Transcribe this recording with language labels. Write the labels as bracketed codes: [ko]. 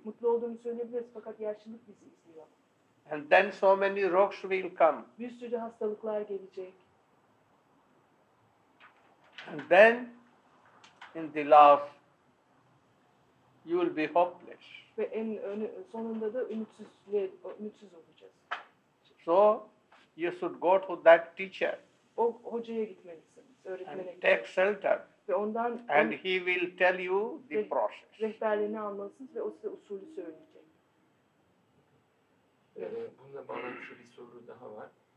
[tr] mutlu olduğunu söyleyebiliriz fakat yaşlılık bizi izliyor [en] and then so many rocks will come [tr] bir sürü hastalıklar gelecek [en] and then in the last you will be hopeless [tr] ve en sonunda da ümitsiz olacağız [en] so you should go to that teacher [tr] o hocaya gitmelisiniz öğretmene [en] and take shelter [tr] ondan [en] and he will tell you the process. [tr] Rehberliğini almalısınız ve o size usulü söyleyecek. Bununla bağlantılı bir soru daha var.